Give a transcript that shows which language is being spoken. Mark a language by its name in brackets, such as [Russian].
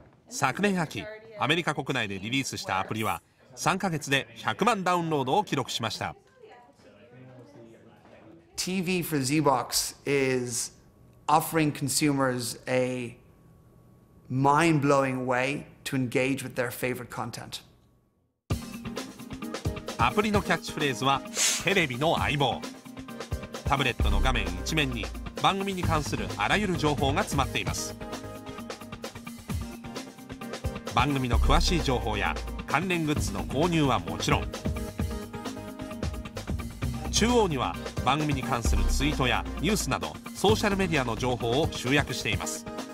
[Japanese] 昨年秋、アメリカ国内でリリースしたアプリは3ヶ月で100万ダウンロードを記録しました。 [English] TV for ZBox is offering consumers a mind-blowing way to engage with their favorite content. [Japanese] アプリのキャッチフレーズはテレビの相棒。タブレットの画面一面に番組に関するあらゆる情報が詰まっています。番組の詳しい情報や関連グッズの購入はもちろん、中央には番組に関するツイートやニュースなどソーシャルメディアの情報を集約しています。